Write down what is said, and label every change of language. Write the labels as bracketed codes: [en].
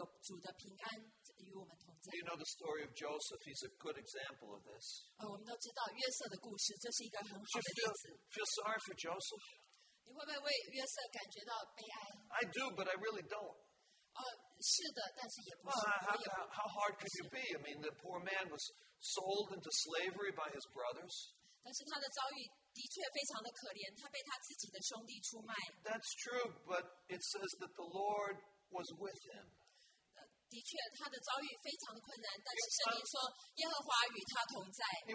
[zh] 但是只要我们走在主的旨意里面呢，我们知道他的同在一直跟随我们，他永远永远不会离弃我们，离开我们，而且有主的平安与我们同在。 [en] You know the story of Joseph. He's a good example of this. [zh] 我们都知道约瑟的故事，这是一个很好的例子。 [en] Feel sorry for Joseph? [zh] 你会不会为约瑟感觉到悲哀？ [en] I do, but I really don't. [zh] 是的，但是也不是。 [en] How hard could you be? I mean, the poor man was sold into slavery by his brothers. [zh] 但是他的遭遇的确非常的可怜，他被他自己的兄弟出卖。 [en] That's true, but it says that the Lord was with him. [zh] 的确，他的遭遇非常的困难，但是圣灵说耶和华与他同在。 [en] He